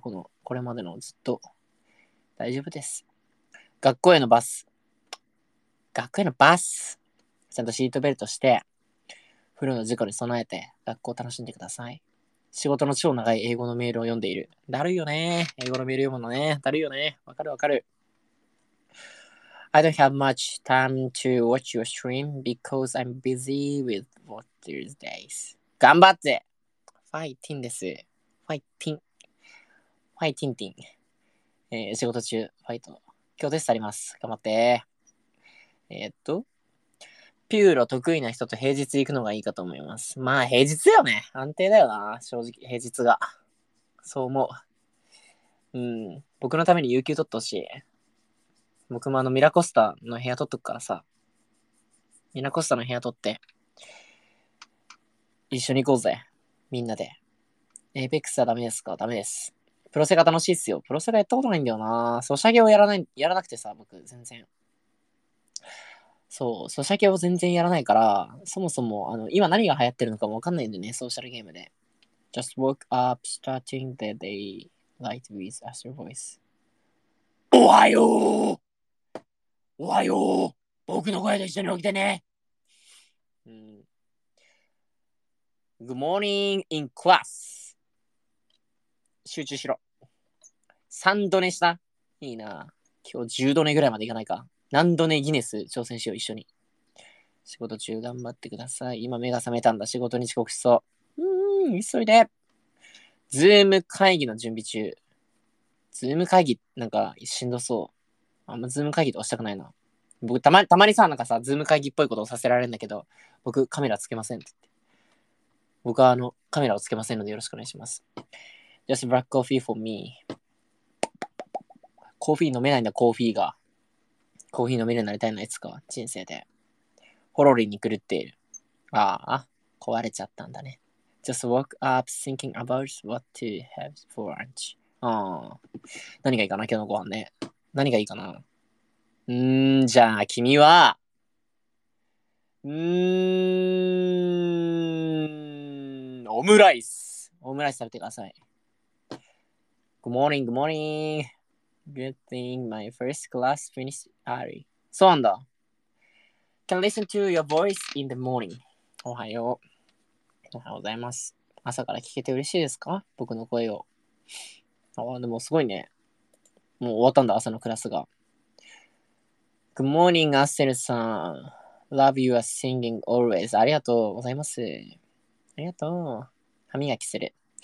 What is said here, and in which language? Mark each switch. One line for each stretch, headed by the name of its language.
Japanese: この、これまでのずっと。大丈夫です。学校へのバス。学校へのバス。ちゃんとシートベルトして。プロの事故に備えて学校楽しんでください。仕事の超長い英語のメールを読んでいる。だるいよね、英語のメール読むのね。だるいよね、わかるわかる。
English: I don't have much time to watch your stream because I'm busy with what these days.
Japanese: 頑張って、ファイティンです。ファイティン、ファイティンティン、仕事中ファイト。今日テストあります、頑張って。ピューロ得意な人と平日行くのがいいかと思います。まあ平日よね、安定だよな、正直平日が。そう思う。僕のために有給取ってほしい。僕もあのミラコスタの部屋取っとくからさ、ミラコスタの部屋取って一緒に行こうぜ、みんなで。エイペックスはダメですか？ダメです。プロセが楽しいっすよ。プロセがやったことないんだよな、ソシャゲをやらなくてさ、僕全然。そう、ソシャゲを全然やらないから、そもそも、あの、今何が流行ってるのかもわかんないんでね、ソーシャルゲームで。
English: Just woke up, starting the day light with Astro Voice.
Japanese: おはよう！おはよう！僕の声と一緒に起きてね！
English: Good morning in class!
Japanese: 集中しろ。3度寝した？いいな。今日10度寝ぐらいまでいかないか。何度ねギネス挑戦しよう、一緒に。仕事中頑張ってください。今目が覚めたんだ、仕事に遅刻しそう。急いで。ズーム会議の準備中。ズーム会議なんかしんどそう。あんまズーム会議とかしたくないな。僕たまにさ、なんかさ、ズーム会議っぽいことをさせられるんだけど、僕カメラつけませんって言って。僕はあのカメラをつけませんので、よろしくお願いします。
English: Just black coffee for me。
Japanese: コーヒー飲めないんだ、コーヒーが。コーヒー飲めるようになりたいな、いつか人生で。ホロリに狂っている。ああ壊れちゃったんだね。
English: Just woke up thinking about what to have for lunch。
Japanese: ああ何がいいかな、今日のご飯ね。何がいいかな。じゃあ君は、オムライス。オムライス食べてください。
English: Good morning, good morning。 Good thing my first class finished early.
Japanese: そうなんだ。
English: Can listen to your voice in the morning.
Japanese: おはよう。おはようございます。朝から聞けて嬉しいですか？僕の声を。ああ、でもすごいね。もう終わったんだ、朝のクラスが。
English: Good morning,
Japanese: アッセルさん。
English: Love you are singing always.
Japanese: ありがとうございます。ありがとう。歯磨きする。